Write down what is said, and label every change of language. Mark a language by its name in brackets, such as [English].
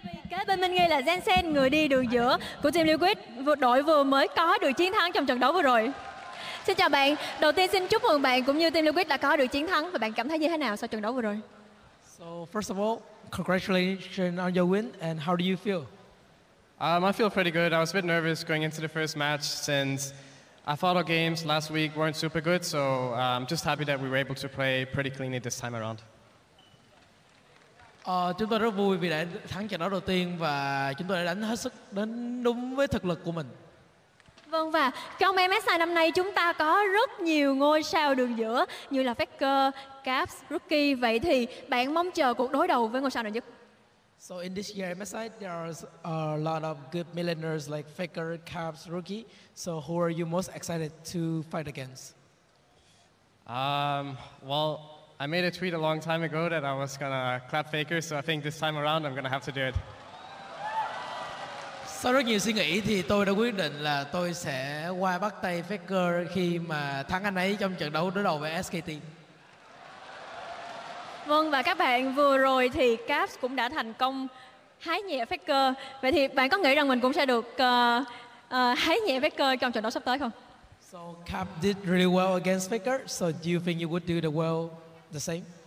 [Vietnamese] Kế bên mình nghi là Jensen, người đi đường giữa của Team Liquid, đội vừa mới có được chiến thắng trong trận đấu vừa rồi. Xin chào bạn, đầu tiên xin chúc mừng bạn cũng như Team Liquid đã có được chiến thắng, và bạn cảm thấy như thế nào sau trận đấu vừa rồi? [English] So first of all, congratulations on your win, and how do you feel? I feel pretty good. I was a bit nervous going into the first match since I thought our games last week weren't super good, so I'm just happy that we were able to play pretty cleanly this time around. [Vietnamese] Chúng tôi rất vui vì đã thắng trận đấu đầu tiên và chúng tôi đã đánh hết sức, đến đúng với thực lực của mình. Vâng, và trong MSI năm nay chúng ta có rất nhiều ngôi sao đường giữa như là Faker, Caps, Rookie. Vậy thì bạn mong chờ cuộc đối đầu với ngôi sao nào nhất? [English] So in this year MSI, there are a lot of good millionaires like Faker, Caps, Rookie. So who are you most excited to fight against? Well, I made a tweet a long time ago that I was gonna clap Faker, so I think this time around I'm gonna have to do it. [Vietnamese] Sau rất nhiều suy nghĩ thì tôi đã quyết định là tôi sẽ qua bắt tay Faker khi mà thắng anh ấy trong trận đấu đối đầu với SKT. Vâng, và các bạn, vừa rồi thì Caps cũng đã thành công hái nhẹ Faker. Vậy thì bạn có nghĩ rằng mình cũng sẽ được hái nhẹ Faker trong trận đấu sắp tới không? [English] So Caps did really well against Faker, so do you think you would do the well the same?